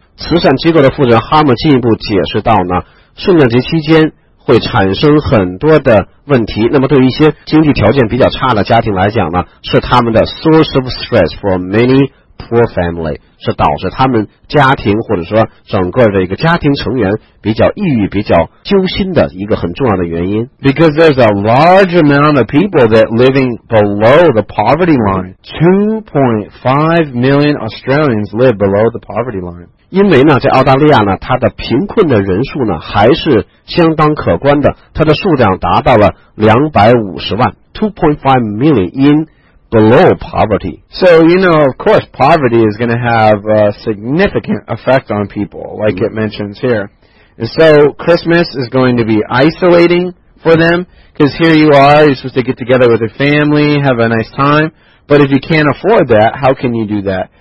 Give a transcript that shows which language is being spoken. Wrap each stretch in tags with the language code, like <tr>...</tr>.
<zh>慈善机构的负责人哈姆进一步解释到呢，圣诞节期间会产生很多的问题，那么对于一些经济条件比较差的家庭来讲呢，是他们的</zh> <en>source of stress for many poor family，</en> <zh>是导致他们家庭或者说整个的一个家庭成员比较抑郁比较揪心的一个很重要的原因。</zh> <en>Because there's a large amount of people that living below the poverty line. 2.5 million Australians live below the poverty line.</en> <zh>因为呢，在澳大利亚呢，它的贫困的人数呢还是相当可观的，它的数量达到了250万。</zh> <en>2.5 million inBelow poverty. So, you know, of course, poverty is going to have a significant effect on people, like it mentions here. And so, Christmas is going to be isolating for them, because here you are, you're supposed to get together with your family, have a nice time, but if you can't afford that, how can you do that?</en>